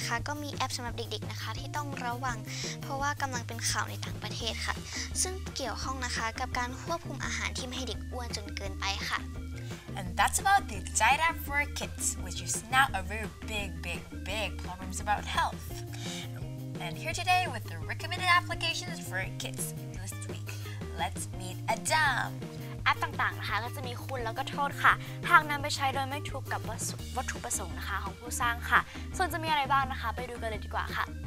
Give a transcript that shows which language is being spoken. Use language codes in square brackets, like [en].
[th] ก็มีแอปสำหรับเด็กๆนะคะที่ต้องระวังเพราะว่ากำลังเป็นข่าวในต่างประเทศค่ะซึ่งเกี่ยวข้องนะคะกับการควบคุมอาหารที่ไม่ให้เด็กอ้วนจนเกินไปค่ะ [en] And that's about the diet app for kids, which is now a very big problems about health. And here today with the recommended applications for kids this week, let's meet Adam. [th] แอปต่างๆนะคะก็จะมีคุณแล้วก็โทษค่ะหากนำไปใช้โดยไม่ถูกกับวัตถุประสงค์นะคะของผู้สร้างค่ะส่วนจะมีอะไรบ้างนะคะไปดูกันเลยดีกว่าค่ะ